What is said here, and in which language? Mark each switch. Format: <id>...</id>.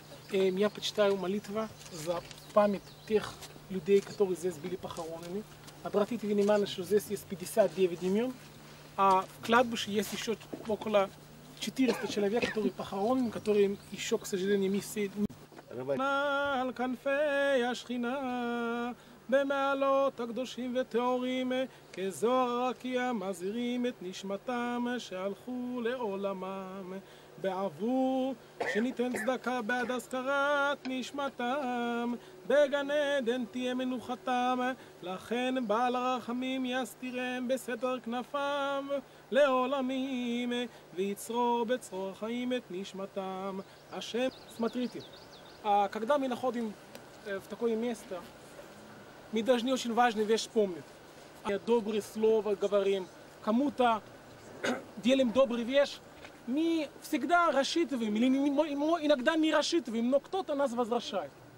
<ru>Я почитаю молитву за память тех людей, которые здесь были похоронены. Обратите внимание, что здесь есть 59 имен, а в кладбище есть еще около 400 человек, которые похоронены, которые еще, к сожалению, не все.</ru> <he>על כנפי השכינה במעלות הקדושים וטהורים כזוהר רקיע מזהירים את נשמתם שהלכו לעולמם בעבור שניתן צדקה בעד הזכרת נשמתם בגן עדן תהיה מנוחתם לכן בעל הרחמים יסתירם בסתר כנפם לעולמים ויצרור בצרור חיים את נשמתם השם סמטריטי.</he> <ru>А когда мы находим в такое место, мы должны очень важную вещь помнить. Добрые слова говорим, кому-то делим добрую вещь. Мы всегда рассчитываем, или иногда не рассчитываем, но кто-то нас возвращает.</ru>